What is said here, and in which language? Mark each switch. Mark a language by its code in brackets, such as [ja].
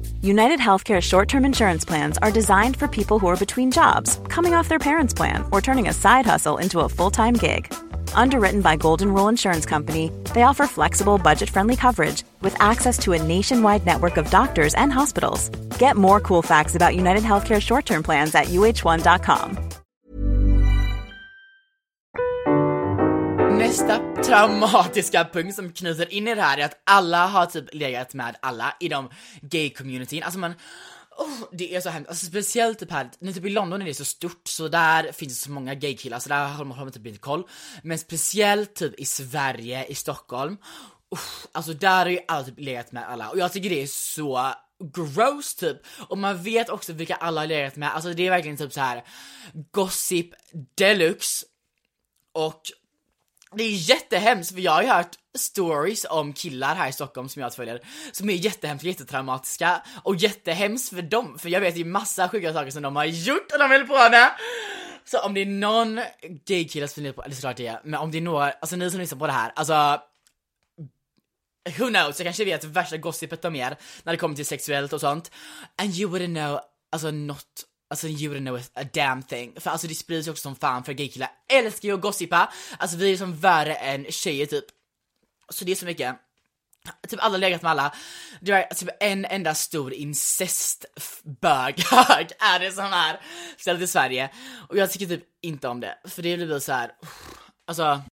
[en] UnitedHealthcare short-term insurance plans are designed for people who are between jobs, coming off their parents' plan, or turning a side hustle into a full-time gig. Underwritten by Golden Rule Insurance Company, they offer flexible, budget-friendly coverage with access to a nationwide network of doctors and hospitals. Get more cool facts about UnitedHealthcare short-term plans at uh1.com. [sv] Nästa traumatiska punkt som knyter in i det här är att alla har typ legat med alla i de gay-communityn. Alltså man, oh, det är så hemskt. Alltså speciellt typ här, när typ i London är det så stort, så där finns det så många gay-killar, så där har man typ inte koll. Men speciellt typ i Sverige, i Stockholm, oh, alltså där har ju alla typ legat med alla. Och jag tycker det är så gross typ. Och man vet också vilka alla har legat med. Alltså det är verkligen typ så här gossip deluxe. Och det är jättehemskt, för jag har ju hört stories om killar här i Stockholm som jag följer, som är jättehemskt, jättetraumatiska. Och jättehemskt för dem, för jag vet ju massa sjuka saker som de har gjort och de vill på med. Så om det är någon gay kille som funderar på, eller såklart det, men om det är några, alltså ni som lyssnar på det här, alltså who knows, jag kanske vet värsta gossipet om er när det kommer till sexuellt och sånt. [en] And you wouldn't know, alltså not, alltså you wouldn't know a damn thing. [sv] För alltså det sprids också som fan, för gaykillar älskar ju att gossipa. Alltså vi är som värre än tjejer typ. Så det är så mycket. Typ alla legat med alla. Det var typ en enda stor incestbög är det som är ställt i Sverige. Och jag tycker typ inte om det, för det blir så här. Alltså